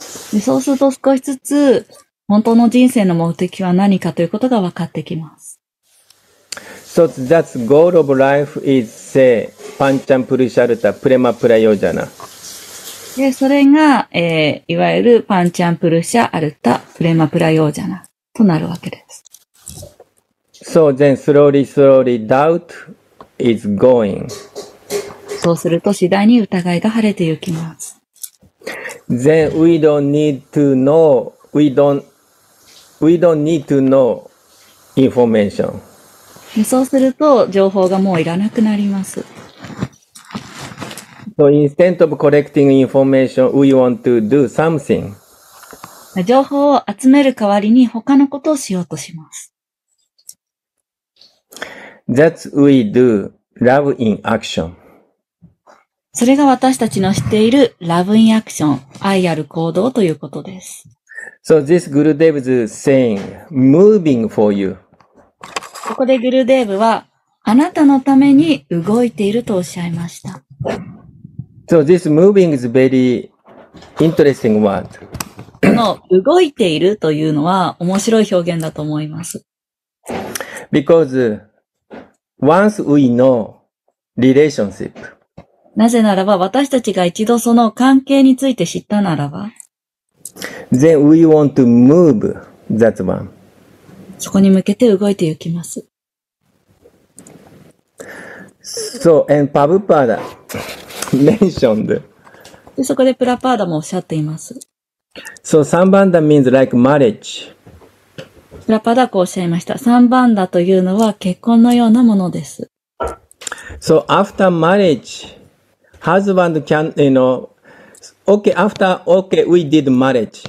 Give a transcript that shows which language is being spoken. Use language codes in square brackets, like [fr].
[ja] で、そうすると少しずつ本当の人生の目的は何かということが分かってきます。 [en] So that's goal of life is say, パンチャンプルシャルタプレマプラヨジャナ。 [ja] で、それが、いわゆるパンチャンプルシャアルタプレマプラヨージャナとなるわけです。 [en] So then slowly, slowly doubt is going. [ja] そうすると次第に疑いが晴れていきます。 [en] Then we don't need to know, we don't need to know information. [ja] そうすると情報がもういらなくなります。 [en] So instead of collecting information, we want to do something. [ja] 情報を集める代わりに他のことをしようとします。 [en] That's we do love in action. [ja] それが私たちの知っている [en] love in action, [ja] 愛ある行動ということです。 [en] So this Gurudev is saying, moving for you. [ja] ここでグルデーブはあなたのために動いているとおっしゃいました。 [en] So this moving is very interesting word. [ja] この動いているというのは面白い表現だと思います。 [en] Because once we know relationship. [ja] なぜならば私たちが一度その関係について知ったならば。 [en] Then we want to move that one. [ja] そこに向けて動いていきます。 [en] So, and Prabhupada mentioned. [ja] で、そこでプラパーダもおっしゃっています。 [en] So, Sambandha means like marriage. [ja] プラパーダこうおっしゃいました。 Sambandha というのは結婚のようなものです。 [en] So, after marriage, husband can, you know, okay, after, okay, we did marriage.